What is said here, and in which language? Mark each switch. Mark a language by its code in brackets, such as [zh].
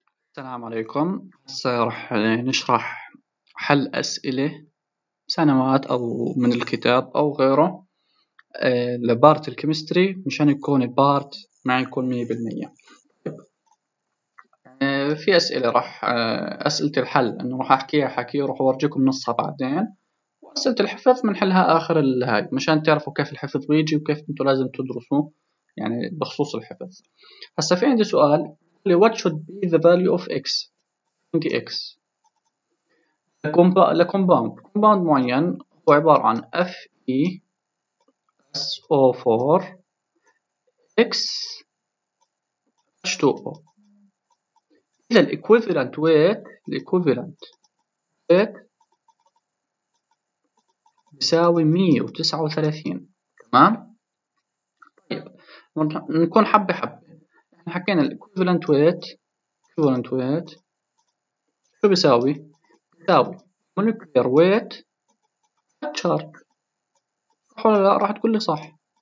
[ar] السلام عليكم، سأرح نشرح حل أسئلة سنوات أو من الكتاب أو غيره لبارت الكيمستري مشان يكون بارت ما يكون 100%. في أسئلة رح أسئلة الحل أنه رح أحكيها حكي ورح أورجيكم نصها بعدين، وأسئلة الحفظ منحلها آخر الهاي مشان تعرفوا كيف الحفظ بيجي وكيف أنتوا لازم تدرسوا يعني بخصوص الحفظ. هسا في عندي سؤال، [en] what should be the value of x in the x compound. [ar] compound معين هو عبارة عن Fe SO4 x H2O. إذا equivalent weight يساوي 139. تمام، طيب نكون حبة حبة. حكينا الإكويفلنت ويت، شو بيساوي؟ مولكيولر ويت تشارج، صح ولا لا؟ راح تقول لي صح.